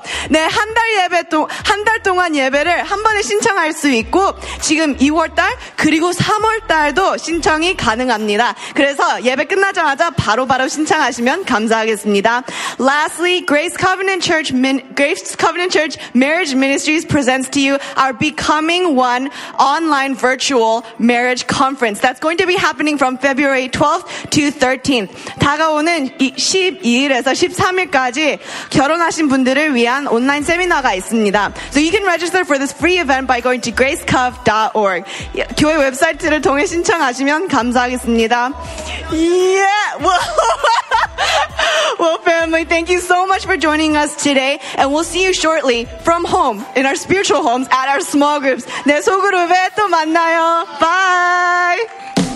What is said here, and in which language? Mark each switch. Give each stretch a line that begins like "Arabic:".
Korean: 네, 한 달 예배 동 한 달 동안 예배를 한 번에 신청할 수 있고 지금 2월달 그리고 3월달도 신청이 가능합니다. 그래서 예배 끝나자마자 바로 신청하시면 감사하겠습니다.
English: Lastly, Grace Covenant Church Marriage Ministries presents to you our Becoming One online virtual marriage conference. That's going to be happening from February 12th to 13th.
Korean: 다가오는 12일에서 13일까지 결혼하신 분들을 위한 온라인 세미나가 있습니다.
English: So you can register for this free event by going to gracecov.org.
Korean: 교회 웹사이트를 통해 신청하시면 감사하겠습니다.
English: Yeah! Well, family, thank you so much for joining us today. And we'll see you shortly from home, in our spiritual homes, at our small groups.
Korean: 내 소그룹에 또 만나요.
English: Bye!